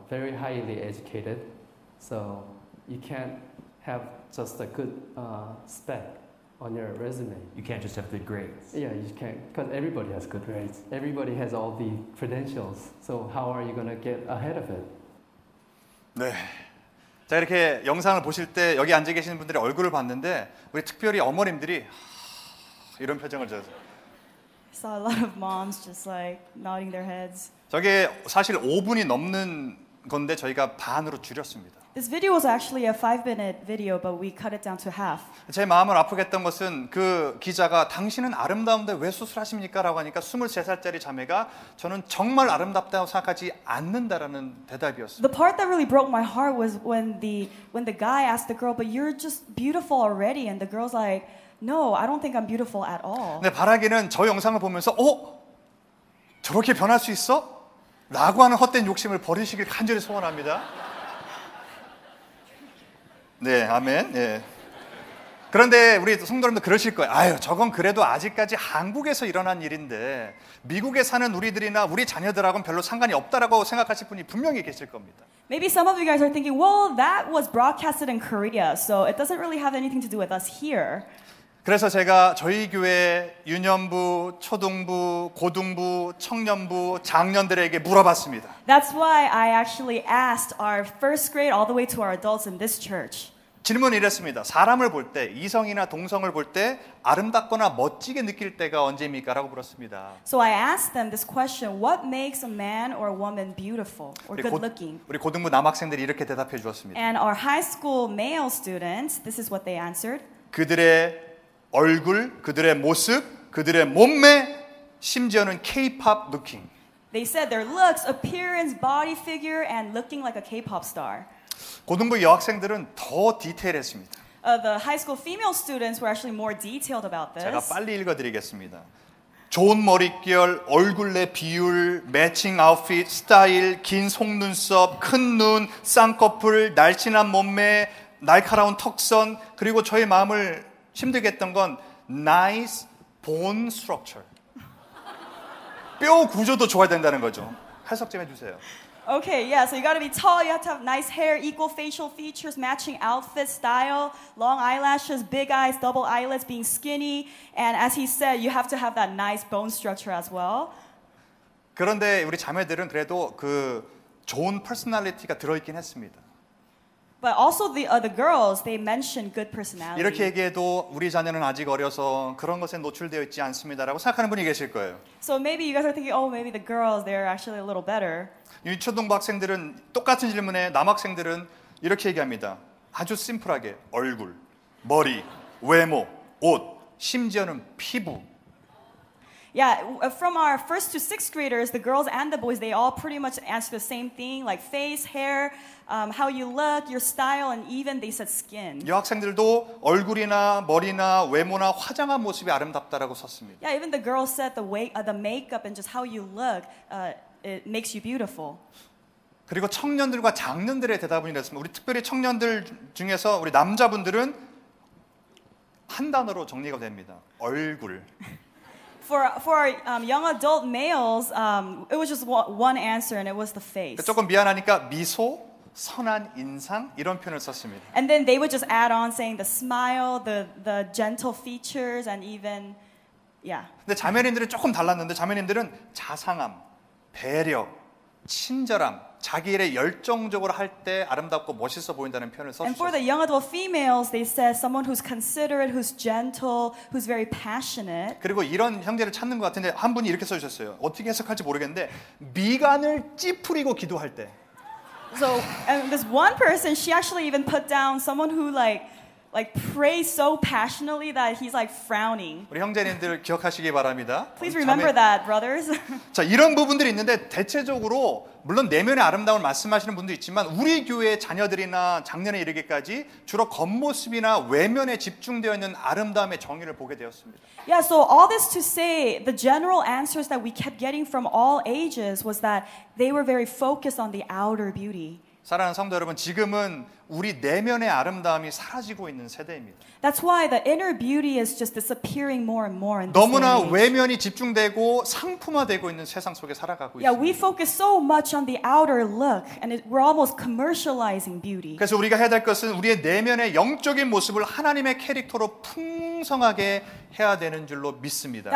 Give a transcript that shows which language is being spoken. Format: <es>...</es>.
<en>Very highly educated, so you can't have just a good spec on your resume. You can't just have good grades. Yeah, you can't, because everybody has good grades. Everybody has all the credentials. So how are you gonna get ahead of it?</en> <ko>네. 자, 이렇게 영상을 보실 때 여기 앉아 계신 분들의 얼굴을 봤는데 우리 특별히 어머님들이 이런 표정을 지어서</ko> <en>I saw a lot of moms just like nodding their heads.</en> <ko>저게 사실 5분이 넘는 건데 저희가 반으로 줄였습니다.</ko> <en>This video was actually a 5-minute video, but we cut it down to half.</en> <ko>제 마음을 아프게 했던 것은 그 기자가 당신은 아름다운데 왜 수술하십니까? 라고 하니까 23살짜리 자매가 저는 정말 아름답다고 생각하지 않는다라는 대답이었어요.</ko> <en>The part that really broke my heart was when the guy asked the girl, but you're just beautiful already. And the girl's like, no, I don't think I'm beautiful at all.</en> <ko>근데 바라기는 저 영상을 보면서, 어? 저렇게 변할 수 있어? 라고 하는 헛된 욕심을 버리시길 간절히 소원합니다. 네, 아멘. 예. 그런데 우리 성도님도 그러실 거예요. 아유, 저건 그래도 아직까지 한국에서 일어난 일인데 미국에 사는 우리들이나 우리 자녀들하고는 별로 상관이 없다라고 생각하실 분이 분명히 계실 겁니다.</ko> <en>Maybe some of you guys are thinking, well, that was broadcasted in Korea, so it doesn't really have anything to do with us here.</en> <ko>그래서 제가 저희 교회 유년부, 초등부, 고등부, 청년부, 장년들에게 물어봤습니다.</ko> <en>That's why I actually asked our first grade all the way to our adults in this church.</en> <ko>질문 이랬습니다. 사람을 볼 때, 이성이나 동성을 볼 때 아름답거나 멋지게 느낄 때가 언제입니까? 라고 물었습니다.</ko> <en>So I asked them this question. What makes a man or a woman beautiful or good looking?</en> <ko>우리 고등부 남학생들이 이렇게 대답해 주었습니다.</ko> <en>And our high school male students, this is what they answered.</en> <ko>그들의 얼굴, 그들의 모습, 그들의 몸매, 심지어는</ko> <en>K-pop looking. They said their looks, appearance, body figure, and looking like a K-pop star.</en> <ko>고등부 여학생들은 더 디테일했습니다.</ko> <en>The high school female students were actually more detailed about this.</en> <ko>제가 빨리 읽어드리겠습니다. 좋은 머릿결, 얼굴 내 비율, 매칭 아웃핏, 스타일, 긴 속눈썹, 큰 눈, 쌍꺼풀, 날씬한 몸매, 날카로운 턱선, 그리고 저의 마음을 힘들게 했던 건</ko> <en>nice bone structure.</en> <ko>뼈 구조도 좋아야 된다는 거죠. 해석 좀 해주세요.</ko> <en>Okay, yeah, so you gotta be tall, you have to have nice hair, equal facial features, matching outfit style, long eyelashes, big eyes, double eyelids, being skinny, and as he said, you have to have that nice bone structure as well.</en> <ko>그런데 우리 자매들은 그래도 그 좋은 personality가 들어있긴 했습니다.</ko> <en>But also the other girls, they mentioned good personality.</en> <ko>이렇게 얘기해도 우리 자녀는 아직 어려서 그런 것에 노출되어 있지 않습니다라고 생각하는 분이 계실 거예요.</ko> <en>So maybe you guys are thinking, oh, maybe the girls, they're actually a little better.</en> <ko>유초등부 학생들은 똑같은 질문에 남학생들은 이렇게 얘기합니다. 아주 심플하게 얼굴, 머리, 외모, 옷, 심지어는 피부.</ko> <en>Yeah, from our first to sixth graders, the girls and the boys, they all pretty much answer the same thing, like face, hair, how you look, your style, and even they said skin.</en> <ko>여학생들도 얼굴이나 머리나 외모나 화장한 모습이 아름답다라고 썼습니다.</ko> <en>Yeah, even the girls said the makeup and just how you look, it makes you beautiful.</en> <ko>그리고 청년들과 장년들의 대답은 이랬습니다. 우리 특별히 청년들 중에서 우리 남자분들은 한 단어로 정리가 됩니다. 얼굴.</ko> <en>For young adult males, it was just one answer, and it was the face.</en> <ko>조금 미안하니까 미소, 선한 인상 이런 표현을 썼습니다.</ko> <en>And then they would just add on saying the smile, the gentle features, and even yeah.</en> <ko>근데 자매님들은 조금 달랐는데 자매님들은 자상함, 배려, 친절함. 자기 일에 열정적으로 할 때 아름답고 멋있어 보인다는 표현을 써주셨어요.</ko> <en>And for the young adult females, they said someone who's considerate, who's gentle, who's very passionate.</en> <ko>그리고 이런 형제를 찾는 것 같은데 한 분이 이렇게 써주셨어요. 어떻게 해석할지 모르겠는데 미간을 찌푸리고 기도할 때.</ko> <en>So and this one person, she actually even put down someone who like prays so passionately that he's like frowning.</en> <ko>우리 형제님들 기억하시기 바랍니다.</ko> <en>Please remember that, brothers.</en> <ko>자 이런 부분들이 있는데 대체적으로. 물론 내면의 아름다움을 말씀하시는 분도 있지만 우리 교회의 자녀들이나 장년에 이르기까지 주로 겉모습이나 외면에 집중되어 있는 아름다움의 정의를 보게 되었습니다.</ko> <en>Yeah, so all this to say the general answers that we kept getting from all ages was that they were very focused on the outer beauty.</en> <ko>사랑하는 성도 여러분, 지금은 우리 내면의 아름다움이 사라지고 있는 세대입니다.</ko> <en>That's why the inner beauty is just disappearing more and more in this</en> <ko>너무나</ko> <en>age.</en> <ko>외면이 집중되고 상품화되고 있는 세상 속에 살아가고</ko> <en>yeah, Yeah, we focus so much on the outer look and we're almost commercializing beauty.</en> <ko>그래서 우리가 해야 될 것은 우리의 내면의 영적인 모습을 하나님의 캐릭터로 풍성하게 해야 되는 줄로 믿습니다.</ko>